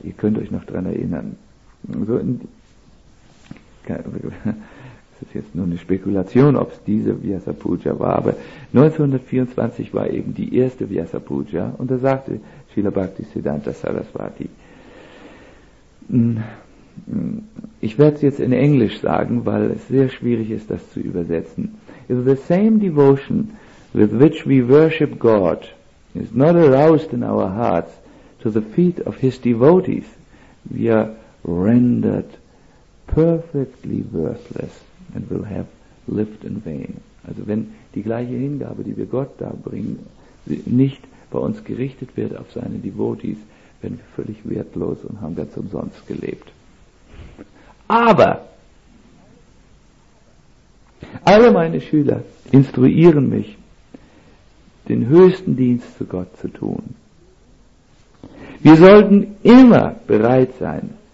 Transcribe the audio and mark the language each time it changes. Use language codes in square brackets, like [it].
[de] Ihr könnt euch noch daran erinnern. So das ist jetzt nur eine Spekulation, ob es diese Vyasa Puja war, aber 1924 war eben die erste Vyasa Puja und da sagte Srila Bhaktisiddhanta Saraswati, ich werde es jetzt in Englisch sagen, weil es sehr schwierig ist, das zu übersetzen. [en] If the same devotion with which we worship God is not aroused in our hearts to the feet of his devotees, we are rendered perfectly worthless and will have lived in vain. [de] Also wenn die gleiche Hingabe, die wir Gott da bringen, nicht bei uns gerichtet wird auf seine Devotees, werden wir völlig wertlos und haben ganz umsonst gelebt. Aber alle meine Schüler instruieren mich, den höchsten Dienst zu Gott zu tun. Wir sollten immer bereit sein,